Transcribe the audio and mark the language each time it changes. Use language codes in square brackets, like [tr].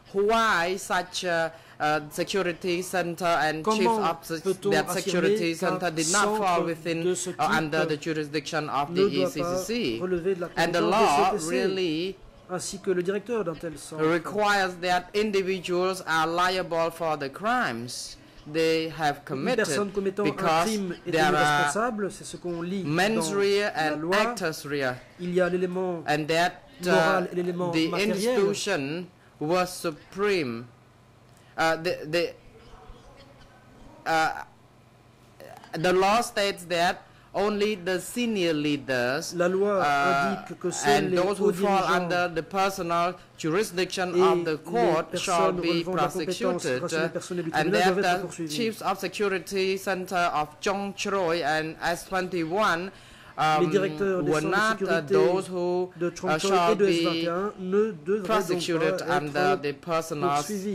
[en] Why such a security center and chief of that security center did not fall within or under the jurisdiction of the ECCC? And the law really [fr] ainsi que le directeur d'un tel centre [en] requires that individuals are liable for the crimes they have committed. [fr] Une personne commettant un crime est responsable, c'est ce qu'on lit dans la loi. [la] Actus rea. [fr] Il y a l'élément moral et l'élément [en] the [fr] matériel. [en] The institution was supreme. The law states that only the senior leaders [fr] la loi indique que seuls [en] and [fr] les [en] those who fall under the personal jurisdiction of the court shall be prosecuted. And that the chiefs of security center of Chongqing and S21 [fr] les directeurs des centres de sécurité de Trangchau et de S21 ne devraient donc pas être poursuivis.